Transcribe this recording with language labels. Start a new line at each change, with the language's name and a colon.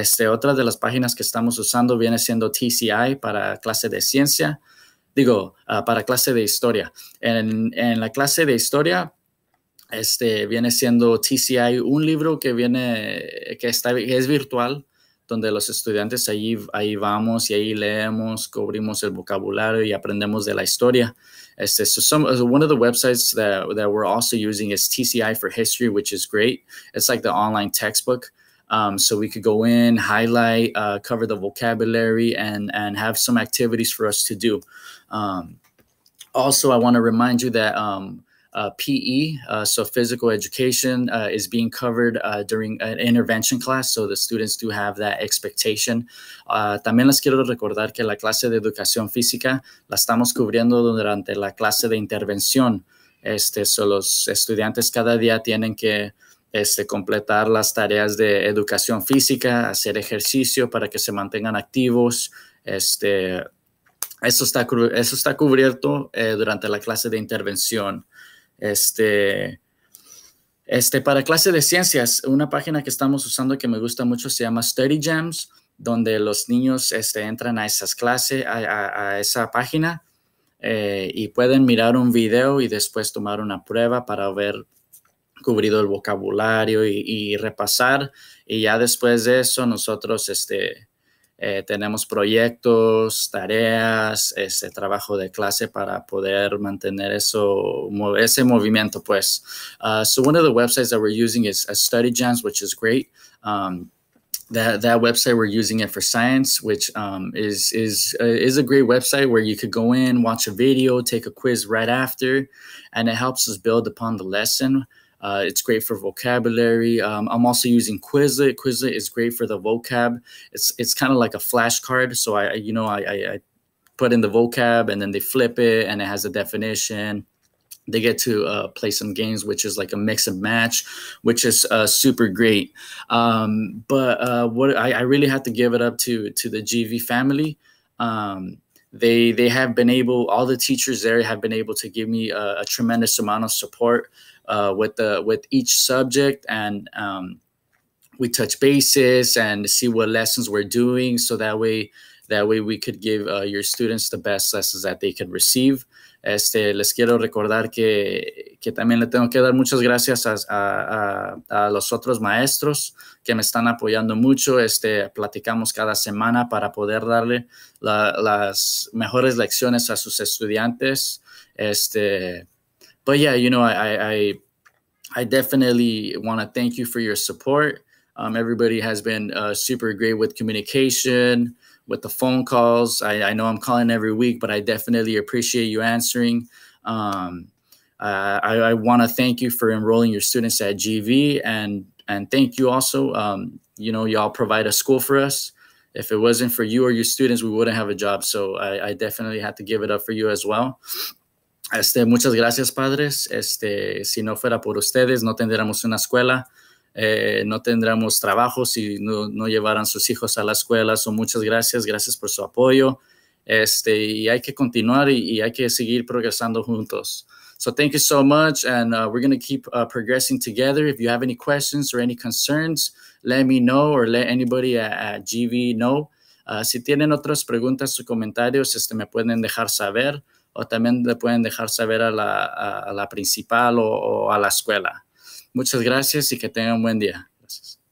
Spanish: Otra de las páginas que estamos usando viene siendo TCI para clase de ciencia, para clase de historia. En la clase de historia, viene siendo TCI un libro que es virtual, donde los estudiantes ahí vamos y ahí leemos, cubrimos el vocabulario y aprendemos de la historia.
English: One of the websites that we're also using is TCI for History, which is great. It's like the online textbook. So we could go in, highlight, cover the vocabulary, and have some activities for us to do. Also, I want to remind you that PE, so physical education, is being covered during an intervention class, so the students do have that expectation.
Spanish: También les quiero recordar que la clase de educación física la estamos cubriendo durante la clase de intervención. So los estudiantes cada día tienen que completar las tareas de educación física, hacer ejercicio para que se mantengan activos. Eso está cubierto durante la clase de intervención. Para clase de ciencias, una página que estamos usando que me gusta mucho se llama Study Gems. donde los niños entran a esas clases, a esa página, y pueden mirar un video y después tomar una prueba para ver cubrido el vocabulario y repasar. Y ya después de eso, nosotros tenemos proyectos, tareas, trabajo de clase para poder mantener eso, ese movimiento, pues.
English: So one of the websites that we're using is Study Jams, which is great. That website, we're using it for science, which is a great website where you could go in, watch a video, take a quiz right after, and it helps us build upon the lesson. It's great for vocabulary. I'm also using Quizlet. Quizlet is great for the vocab. It's kind of like a flashcard. So I put in the vocab and then they flip it and it has a definition. They get to play some games, which is like a mix and match, which is super great. But I really have to give it up to the GV family. They have been able, all the teachers there have been able to give me a tremendous amount of support with each subject, and we touch bases and see what lessons we're doing, so that way we could give your students the best lessons that they could receive.
Spanish: Les quiero recordar que también le tengo que dar muchas gracias a los otros maestros que me están apoyando mucho. Platicamos cada semana para poder darle las mejores lecciones a sus estudiantes.
English: But yeah, you know, I definitely want to thank you for your support. Everybody has been super great with communication, with the phone calls. I know I'm calling every week, but I definitely appreciate you answering. I want to thank you for enrolling your students at GV, and thank you also. You know, y'all provide a school for us. If it wasn't for you or your students, we wouldn't have a job. So I definitely have to give it up for you as well.
Spanish: Muchas gracias, padres. Si no fuera por ustedes, no tendríamos una escuela. No tendríamos trabajo si no llevaran sus hijos a la escuela. So muchas gracias. Gracias por su apoyo. Y hay que continuar y hay que seguir progresando juntos.
English: So thank you so much. And we're going to keep progressing together. If you have any questions or any concerns, let me know, or let anybody at GV know.
Spanish: Si tienen otras preguntas o comentarios, me pueden dejar saber. O también le pueden dejar saber a la principal o a la escuela. Muchas gracias y que tengan un buen día. Gracias.